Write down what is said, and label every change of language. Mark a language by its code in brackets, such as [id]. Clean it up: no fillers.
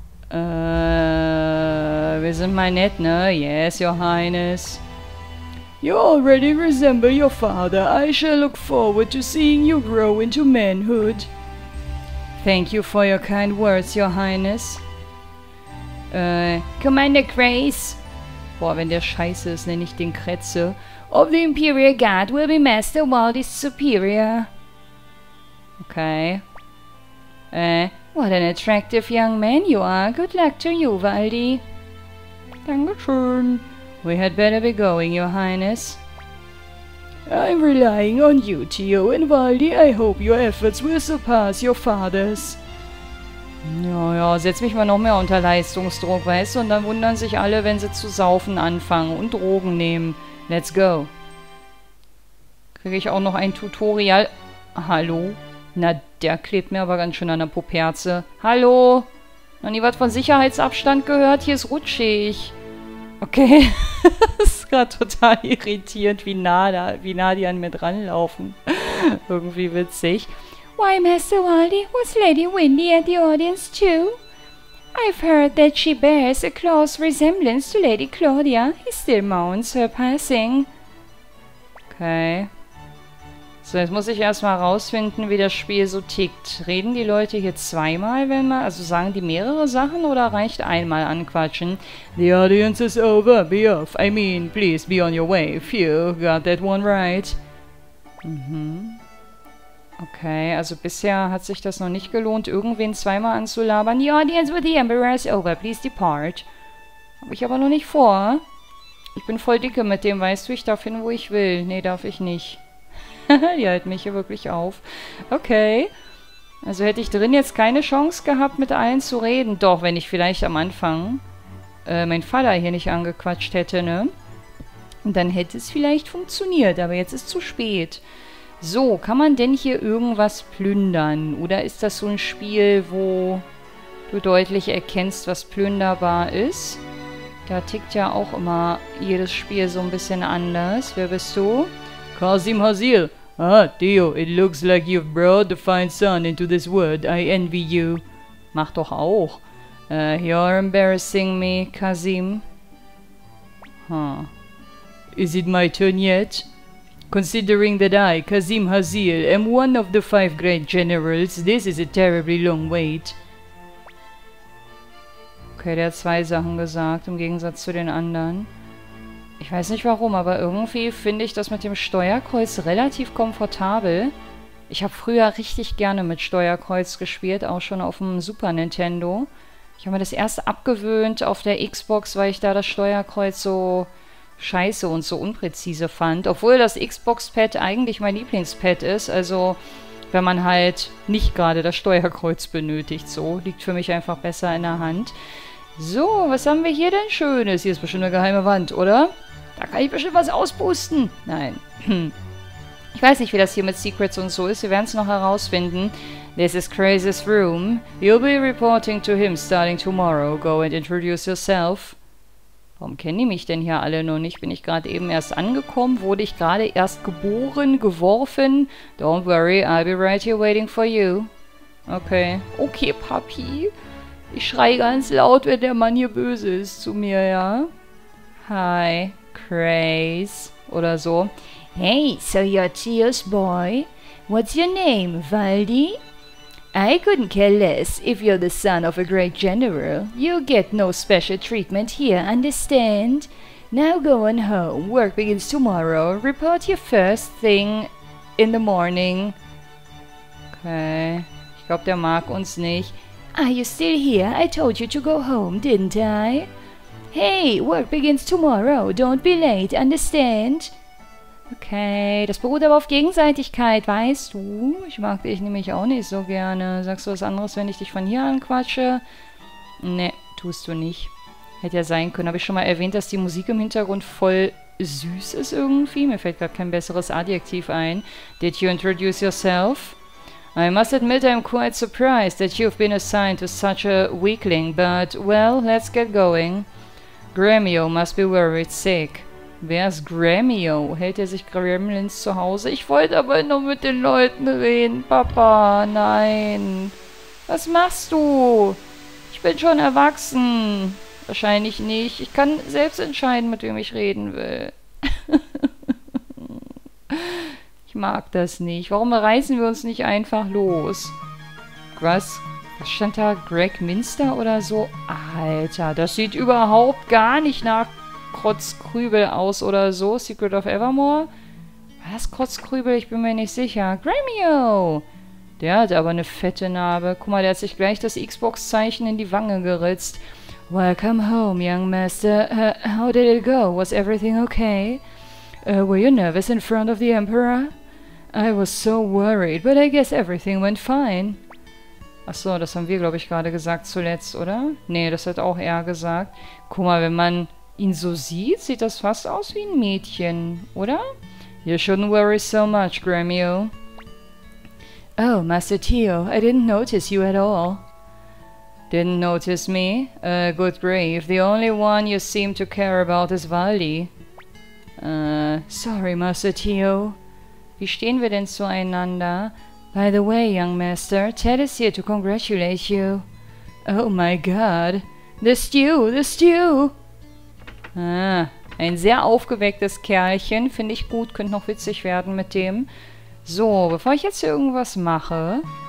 [de] Wir sind mal nett, ne? [en] Yes, Your Highness. You already resemble your father. I shall look forward to seeing you grow into manhood. Thank you for your kind words, Your Highness. Commander Grace. [de] Boah, wenn der scheiße ist, nenne ich den Kretze. [en] Of the Imperial Guard will be Master Waldi's Superior. Okay. What an attractive young man you are. Good luck to you, Waldi. [de] Dankeschön. [en] We had better be going, Your Highness. I'm relying on you, Theo, and Valdi, I hope your efforts will surpass your father's. [de] Naja, setz mich mal noch mehr unter Leistungsdruck, weißt du? Und dann wundern sich alle, wenn sie zu saufen anfangen und Drogen nehmen. [en] Let's go. [de] Kriege ich auch noch ein Tutorial? Hallo? Na, der klebt mir aber ganz schön an der Poperze. Hallo? Noch nie was von Sicherheitsabstand gehört? Hier ist rutschig. Okay. Das ist gerade total irritierend, wie nah die an mir dran laufen. Irgendwie witzig. [en] Why, Master Waldi, was Lady Windy at the audience too? I've heard that she bears a close resemblance to Lady Claudia. He still mourns her passing. Okay. [de] So, jetzt muss ich erstmal rausfinden, wie das Spiel so tickt. Reden die Leute hier zweimal, wenn man... Also sagen die mehrere Sachen oder reicht einmal anquatschen? [en] The audience is over. Be off. I mean, please be on your way. Phew, got that one right. Mhm. [de] Okay, also bisher hat sich das noch nicht gelohnt, irgendwen zweimal anzulabern. [en] The audience with the Emperor is over, please depart. [de] Hab ich aber noch nicht vor. Ich bin voll dicke mit dem, weißt du, ich darf hin, wo ich will. Nee, darf ich nicht. Die halten mich hier wirklich auf. Okay. Also hätte ich drin jetzt keine Chance gehabt, mit allen zu reden. Doch, wenn ich vielleicht am Anfang meinen Vater hier nicht angequatscht hätte, ne? Und dann hätte es vielleicht funktioniert, aber jetzt ist zu spät. So, kann man denn hier irgendwas plündern? Oder ist das so ein Spiel, wo du deutlich erkennst, was plünderbar ist? Da tickt ja auch immer jedes Spiel so ein bisschen anders. Wer bist du? Kasim Hazil. [en] Ah, Theo, it looks like you've brought the fine son into this world. I envy you. [de] Mach doch auch. [en] You're embarrassing me, Kasim. Huh. Is it my turn yet? Considering that I, Kasim Hazil, am one of the five great generals, this is a terribly long wait. [de] Okay, der hat zwei Sachen gesagt, im Gegensatz zu den anderen. Ich weiß nicht warum, aber irgendwie finde ich das mit dem Steuerkreuz relativ komfortabel. Ich habe früher richtig gerne mit Steuerkreuz gespielt, auch schon auf dem Super Nintendo. Ich habe mir das erst abgewöhnt auf der Xbox, weil ich da das Steuerkreuz so... scheiße und so unpräzise fand. Obwohl das Xbox-Pad eigentlich mein Lieblings-Pad ist. Also, wenn man halt nicht gerade das Steuerkreuz benötigt. So, liegt für mich einfach besser in der Hand. So, was haben wir hier denn Schönes? Hier ist bestimmt eine geheime Wand, oder? Da kann ich bestimmt was ausboosten. Nein. Ich weiß nicht, wie das hier mit Secrets und so ist. Wir werden es noch herausfinden. [en] This is Crazy's Room. You'll be reporting to him starting tomorrow. Go and introduce yourself. [de] Warum kennen die mich denn hier alle noch nicht? Bin ich gerade eben erst angekommen? Wurde ich gerade erst geboren, geworfen? [en] Don't worry, I'll be right here waiting for you. [de] Okay. Okay, Papi. Ich schreie ganz laut, wenn der Mann hier böse ist zu mir, ja? Hi, Craze. Oder so. [en] Hey, so you're Tio's boy. What's your name, Waldi? I couldn't care less if you're the son of a great general. You'll get no special treatment here, understand? Now go on home. Work begins tomorrow. Report your first thing in the morning. [de] Okay. Ich glaube, der mag uns nicht. [en] Are you still here? I told you to go home, didn't I? Hey, work begins tomorrow. Don't be late, understand? [de] Okay, das beruht aber auf Gegenseitigkeit, weißt du? Ich mag dich nämlich auch nicht so gerne. Sagst du was anderes, wenn ich dich von hier anquatsche? Nee, tust du nicht. Hätte ja sein können. Habe ich schon mal erwähnt, dass die Musik im Hintergrund voll süß ist irgendwie? Mir fällt gerade kein besseres Adjektiv ein. [en] Did you introduce yourself? I must admit, I'm quite surprised that you've been assigned to such a weakling, but well, let's get going. Grameo must be worried sick. [de] Wer ist Grameo? Hält er sich Gremlins zu Hause? Ich wollte aber nur mit den Leuten reden. Papa, nein. Was machst du? Ich bin schon erwachsen. Wahrscheinlich nicht. Ich kann selbst entscheiden, mit wem ich reden will. Ich mag das nicht. Warum reißen wir uns nicht einfach los? Was? Was stand da? Greg Minster oder so? Alter, das sieht überhaupt gar nicht nach... Krotzkrübel aus oder so. Secret of Evermore? Was? Krotzkrübel? Ich bin mir nicht sicher. Grameo! Der hat aber eine fette Narbe. Guck mal, der hat sich gleich das Xbox-Zeichen in die Wange geritzt. [en] Welcome home, young master. How did it go? Was everything okay? Were you nervous in front of the Emperor? I was so worried, but I guess everything went fine. [de] Achso, das haben wir, glaube ich, gerade gesagt zuletzt, oder? Nee, das hat auch er gesagt. Guck mal, wenn man... ihn so sieht, sieht das fast aus wie ein Mädchen, oder? [en] You shouldn't worry so much, Grameo. Oh, Master Theo, I didn't notice you at all. Didn't notice me? Good grief, the only one you seem to care about is Valdi. Sorry, Master Tio. [de] Wie stehen wir denn zueinander? [en] By the way, young master, Ted is here to congratulate you. Oh my god, the stew, the stew! [de] Ein sehr aufgewecktes Kerlchen, finde ich gut, könnte noch witzig werden mit dem. So, bevor ich jetzt irgendwas mache...